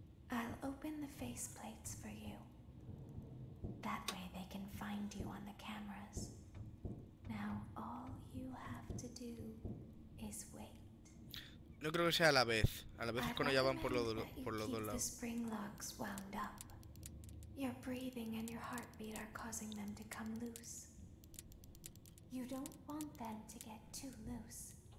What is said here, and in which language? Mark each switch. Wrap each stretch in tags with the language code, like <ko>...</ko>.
<en>I'll open the faceplates for you. That way they can find you on the cameras. Now all you have to do is wait.</en> <es>No creo que sea a la vez. A la vez es cuando ya van por los dos lados.</es> <en>The spring locks wound up. Your breathing and your heartbeat are causing them to come loose. You don't want them to get too loose.</en>